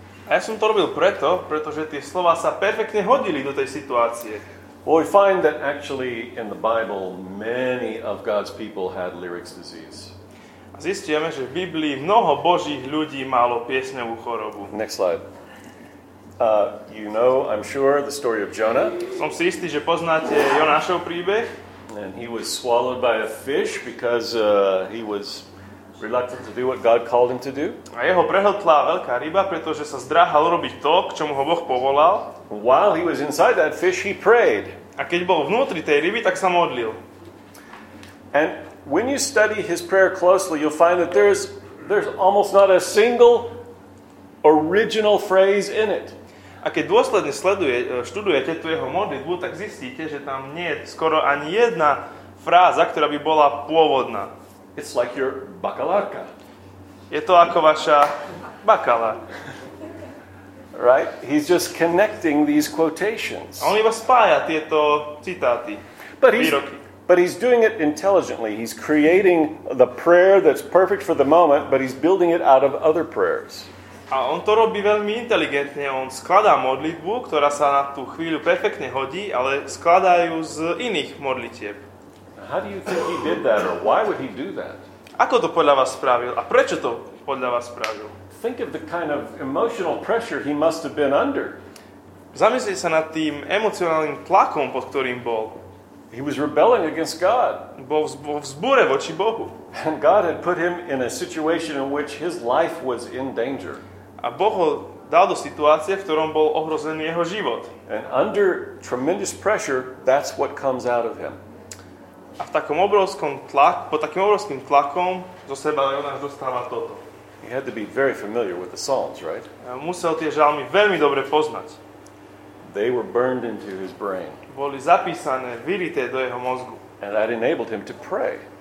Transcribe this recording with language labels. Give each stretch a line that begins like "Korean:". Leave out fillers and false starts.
Slovak: A ja som to robil preto, pretože tie slova sa perfektne hodili do tej situácie.
English: Well, we find that actually in the Bible many of God's people had lyrics disease.
Slovak: A zistíme, že v Biblii mnoho Božích ľudí malo piesňovú chorobu.
English: Next slide. You know, I'm sure, the story of Jonah.
Slovak: Som si istý, že poznáte Jonášov príbeh.
English: And he was swallowed by a fish because he was reluctant to do what God called him to do.
Slovak: A jeho prehltla veľká ryba, pretože sa zdráhal robiť to, k čomu ho Boh povolal.
English: While he was inside that fish, he prayed.
Slovak: A keď bol vnútri tej ryby, tak sa modlil.
English: And when you study his prayer closely, you'll find that there's almost not a single original phrase in it.
Slovak: A keď dôsledne študujete tú jeho modlitbu, tak zistíte, že tam nie je skoro ani jedna fráza, ktorá by bola pôvodná.
English: It's like your bakalárka.
Slovak: Je to ako vaša bakala.
English: Right? He's just connecting these quotations.
Slovak: On iba spája tieto citáty, výroky.
English: But he's doing it intelligently. He's creating the prayer that's perfect for the moment, but he's building it out of other prayers.
Slovak: A on to robí veľmi inteligentne. On skladá modlitbu, ktorá sa na tú chvíľu perfektne hodí, ale skladá ju z iných modlitieb.
English: How do you think he did that, or why would he do that?
Slovak: Ako to podľa vás spravil? A prečo to podľa vás spravil?
English: Think of the kind of emotional pressure he must have been under.
Slovak: Zamyslite sa nad tým emocionálnym tlakom, pod ktorým bol.
English: He was rebelling against God.
Slovak: Bol vo vzbure voči Bohu.
English: And God had put him in a situation in which his life was in danger.
Slovak: A Boh ho dal do situácie, v ktorom bol ohrozený jeho život.
English: And under tremendous pressure, that's what comes out of him.
Slovak: A v takom obrovskom tlaku, pod takým obrovským tlakom zo seba Jonáš dostáva toto.
English: He had to be very familiar with the Psalms, right?
Slovak: Musel tie žalmy veľmi dobre poznať.
English: They were burned into his brain.
Slovak: Boli zapísané, vyrité do jeho mozgu.
English: And that enabled him to pray.